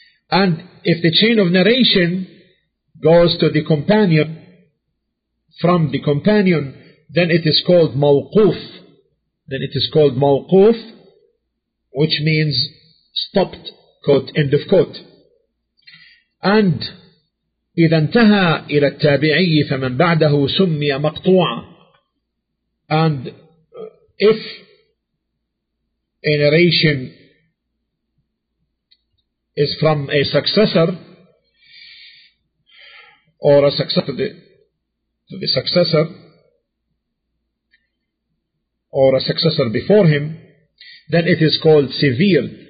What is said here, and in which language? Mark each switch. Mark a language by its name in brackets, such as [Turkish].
[English] And if the chain of narration goes to the companion, from the companion, then it is called mawquf. Then it is called mawquf, which means stopped, quote, end of quote. [Arabic] And إذا انتهى إلى التابعي فمن بعده سمي مقطوعا. [English] And if a narration is from a successor, or a successor to the successor, or a successor before him, then it is called severe.